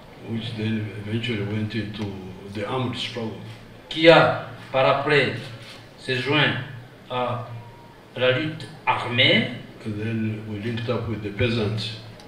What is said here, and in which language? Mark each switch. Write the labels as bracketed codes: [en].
[en] which then eventually went into the armed struggle. [fr] Qui a, par après, se joint à la lutte armée. [en] And then we linked up with the peasants.